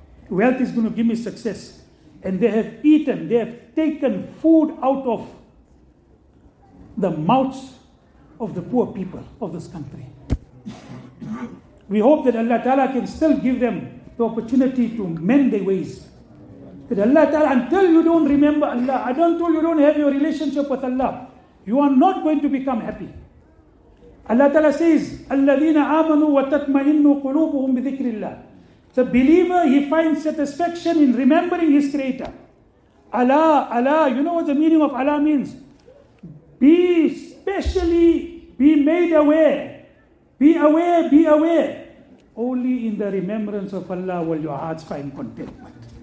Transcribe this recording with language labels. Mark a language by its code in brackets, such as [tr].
[en] Wealth is going to give me success. And they have eaten, they have taken food out of the mouths of the poor people of this country. We hope that Allah Ta'ala can still give them the opportunity to mend their ways. That Allah Ta'ala, until you don't remember Allah, until you don't have your relationship with Allah, you are not going to become happy. [ar] Allah Ta'ala says, الَّذِينَ آمَنُوا وَتَطْمَئِنُّ قُلُوبُهُمْ بِذِكْرِ اللَّهِ. [en] The believer, he finds satisfaction in remembering his creator. Allah, Allah, you know what the meaning of Allah means? Be specially, be made aware. Be aware, be aware. Only in the remembrance of Allah will your hearts find contentment.